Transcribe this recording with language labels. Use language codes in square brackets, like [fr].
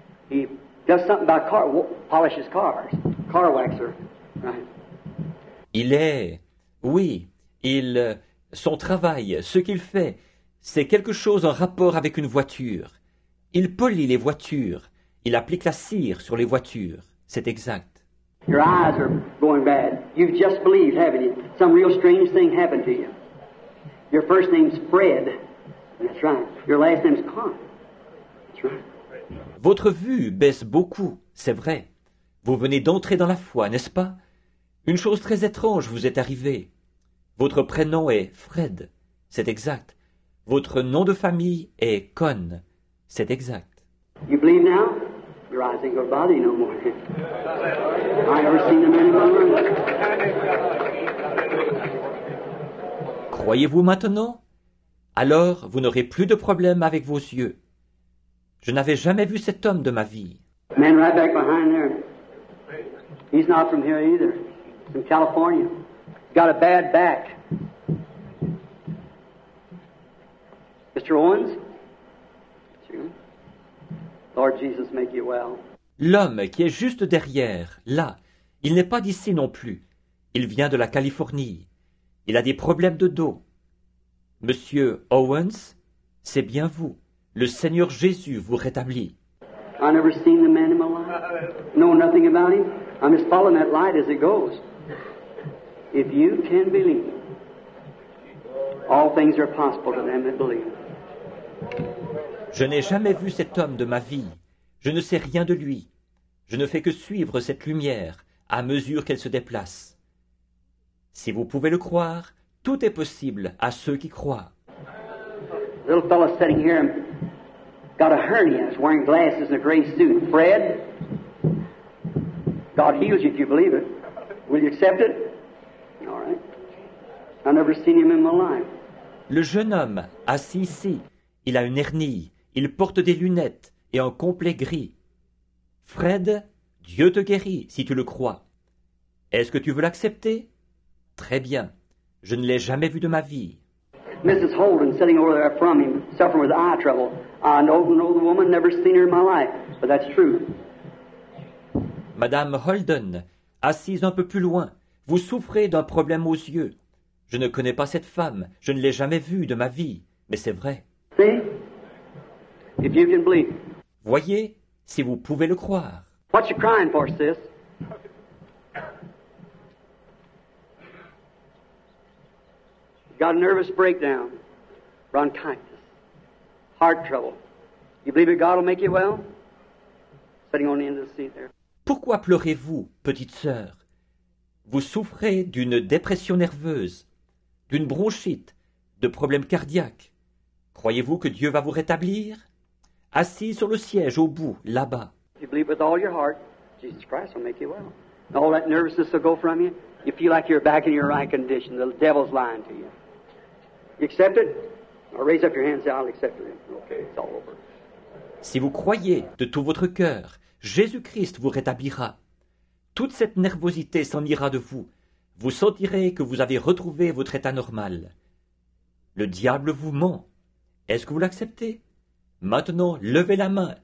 [en] He does something about car, polishes cars, car waxer, right? [fr] Il est, oui, il, son travail, ce qu'il fait, c'est quelque chose en rapport avec une voiture. Il polie les voitures. Il applique la cire sur les voitures. C'est exact. [en] Your eyes are going bad. You've just believed, haven't you? Some real strange thing happened to you. Your first name's Fred. That's right. Your last name's Con. That's right. [fr] Votre vue baisse beaucoup, c'est vrai. Vous venez d'entrer dans la foi, n'est-ce pas? Une chose très étrange vous est arrivée. Votre prénom est Fred. C'est exact. Votre nom de famille est Con. C'est exact. [en] You believe now? Your eyes ain't gonna bother you no more. I ever seen a man in my room. [fr] Croyez-vous maintenant? Alors, vous n'aurez plus de problème avec vos yeux. Je n'avais jamais vu cet homme de ma vie. [en] Man right back behind there. He's not from here either. He's from California. He's got a bad back. Mr. Owens? Lord Jesus, make you well. [fr] L'homme qui est juste derrière, là, il n'est pas d'ici non plus. Il vient de la Californie. Il a des problèmes de dos. Monsieur Owens, c'est bien vous. Le Seigneur Jésus vous rétablit. [en] I never seen the man in my life. Know nothing about him. I'm just following that light as it goes. If you can believe, all things are possible to them that believe. [fr] Je n'ai jamais vu cet homme de ma vie. Je ne sais rien de lui. Je ne fais que suivre cette lumière à mesure qu'elle se déplace. Si vous pouvez le croire, tout est possible à ceux qui croient. [en] Little fellow sitting here got a hernia, is wearing glasses and a gray suit. Fred, God heals you if you believe it. Will you accept it? All right. I've never seen him in my life. [fr] Le jeune homme, assis ici, il a une hernie, il porte des lunettes et un complet gris. Fred, Dieu te guérit si tu le crois. Est-ce que tu veux l'accepter? Très bien. Je ne l'ai jamais vu de ma vie. [en] Mrs. Holden, sitting over there from him, suffering with eye trouble. I know an old woman, never seen her in my life, but that's true. [fr] Madame Holden, assise un peu plus loin, vous souffrez d'un problème aux yeux. Je ne connais pas cette femme, je ne l'ai jamais vue de ma vie, mais c'est vrai. [en] See? If you can believe. [fr] Voyez, si vous pouvez le croire. [en] What you crying for, sis? Got a nervous breakdown, bronchitis, heart trouble. You believe that God will make you well? Sitting on the end of the seat there. [fr] Pourquoi pleurez-vous, petite sœur? Vous souffrez d'une dépression nerveuse, d'une bronchite, de problèmes cardiaques. Croyez-vous que Dieu va vous rétablir? Assis sur le siège au bout, là-bas. [en] You believe with all your heart, Jesus Christ will make you well. All that nervousness will go from you. You feel like you're back in your right condition. The devil's lying to you. You accept it? Or raise up your hand and say, I'll accept it. Okay, it's all over. [fr] Si vous croyez de tout votre cœur, Jésus-Christ vous rétablira. Toute cette nervosité s'en ira de vous. Vous sentirez que vous avez retrouvé votre état normal. Le diable vous ment. Est-ce que vous l'acceptez? Maintenant, levez la main.